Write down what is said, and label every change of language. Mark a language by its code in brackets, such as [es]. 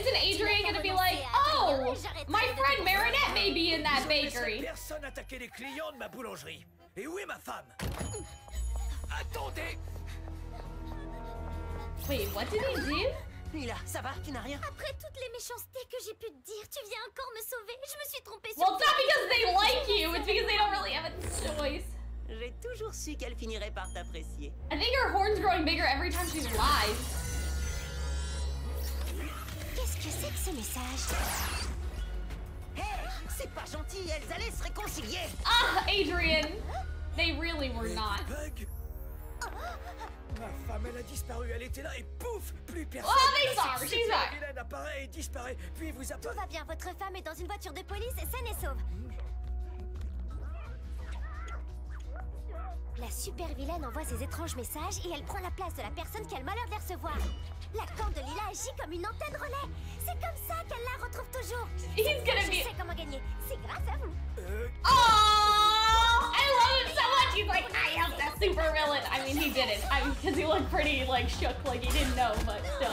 [en] Isn't Adrien gonna be like, oh, my friend Marinette may be in that bakery. [fr] Personne attaquer les clients de ma boulangerie. Et où est ma femme? Attendez. [en] Wait, what did he do? [fr] Lila, ça va, tu n'as rien? Après toutes les méchancetés que j'ai pu te dire, tu viens encore me sauver? Je me suis trompée sur [en] toi. Well, it's not because they like you, it's because they don't really have a choice. [fr] J'ai toujours su qu'elle finirait par t'apprécier. [en] I think her horn's growing bigger every time she's live. [fr] Qu'est-ce que c'est que ce message? Hey, c'est pas gentil, elles allaient se réconcilier. [en] Ah, Adrien. They really were not. Bug. [fr] Ma femme, elle a disparu, elle était là et pouf, plus personne. Oh, Hélène apparaît et disparaît, puis vous apparaît. Tout va bien, votre femme est dans une voiture de police, saine et sauve. La super vilaine envoie ses étranges messages et elle prend la place de la personne qui a le malheur de les recevoir. La corne de Lila agit comme une antenne relais. C'est comme ça qu'elle la retrouve toujours. [en] He's gonna be... [fr] Je sais comment gagner, c'est grâce à vous. [en] Oh, I love him so much. He's like, I am that super villain. I mean, he didn't. I mean, because he looked pretty, like, shook, like he didn't know, but still.